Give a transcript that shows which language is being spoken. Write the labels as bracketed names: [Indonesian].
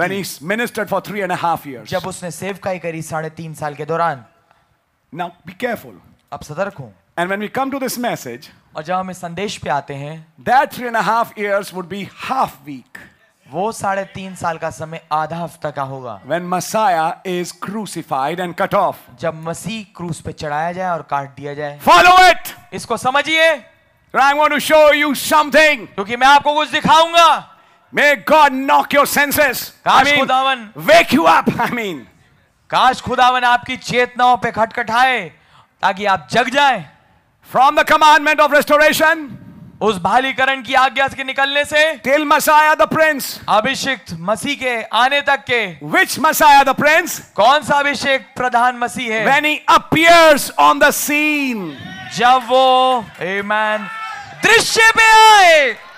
[English] when he ministered for 3.5 years, [Hindi] जब उसने सेवकाई करी 3.5 साल के दौरान। [English] now be careful, [Hindi] अब सतर्क हो, [English] and when we come to this message, [Hindi] और जब हम इस संदेश पे आते हैं, [English] that 3.5 years would be half week, [Hindi] वो 3.5 साल का समय आधा हफ्ता का होगा, [English] When Messiah is crucified and cut off, [Hindi] जब मसीह क्रूस पे चढ़ाया जाए और काट दिया जाए। [English] Follow it, [Hindi] इसको समझिए, [English] I want to show you something, [Hindi] क्योंकि मैं आपको कुछ दिखाऊंगा। [English] May God knock your senses, [Hindi] काश खुदावन [English] wake you up, I mean, [Hindi] काश खुदावन आपकी चेतनाओं पे खटखटाए ताकि आप जग जाएं। [English] From the commandment of restoration, [Hindi] उस भालीकरण की आज्ञा के निकलने से, [English] till Messiah the prince [Hindi] अभिषिक्त मसीह के आने तक के, [English] which Messiah the prince [Hindi] कौन सा अभिषिक्त प्रधान मसीह है, [English] when he appears on the scene, [Hindi] जब वो आमेन दृश्य पे आए,